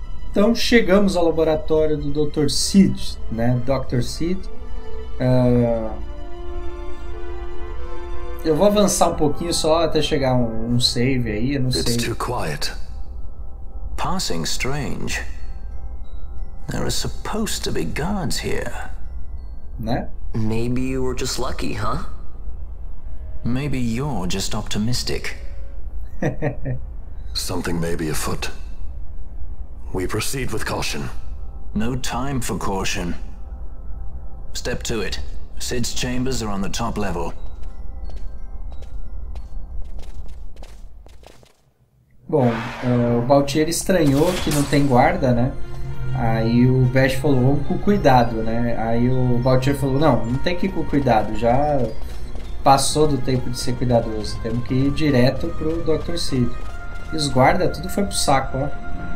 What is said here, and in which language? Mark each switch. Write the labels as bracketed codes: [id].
[pt] Então chegamos ao laboratório do Dr. Seed, né? Dr. Seed. Eu vou avançar um pouquinho só até chegar um save aí, eu não sei. [en] It's too quiet. Passing strange. There are supposed to be guards here. [pt] Né? [en] Maybe you were just lucky, huh? Maybe you're just optimistic. Something may be afoot. We proceed with caution. No time for caution. Step to it. Sid's chambers are on the top level. [pt] Bom, o Baltier estranhou que não tem guarda, né? Aí o Bash falou, vamos com cuidado, né? Aí o Baltier falou, não, não tem que ir com cuidado. Já passou do tempo de ser cuidadoso. Temos que ir direto pro Dr. Sid. E os guarda, tudo foi pro saco, ó.